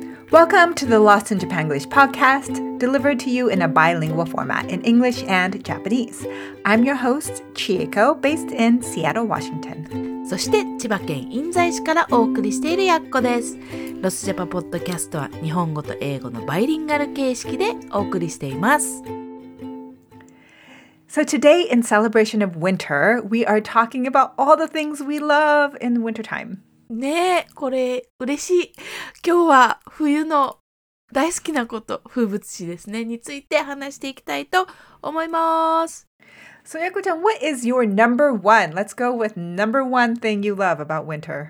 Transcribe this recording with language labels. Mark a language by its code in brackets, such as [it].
[en] Welcome to the Lost in Japan English podcast, delivered to you in a bilingual format in English and Japanese. I'm your host, Chieko, based in Seattle, Washington. [ja] そして千葉県印西市からお送りしているやっこです。ロスジャパポッドキャストは日本語と英語のバイリンガル形式でお送りしています。 [en] So today, in celebration of winter, we are talking about all the things we love in wintertime. [ja] ねえ、これ嬉しい。今日は冬の大好きなこと、風物詩ですね、について話していきたいと思います。 [en] So, Yaku-chan, what is your number one? Let's go with number one thing you love about winter.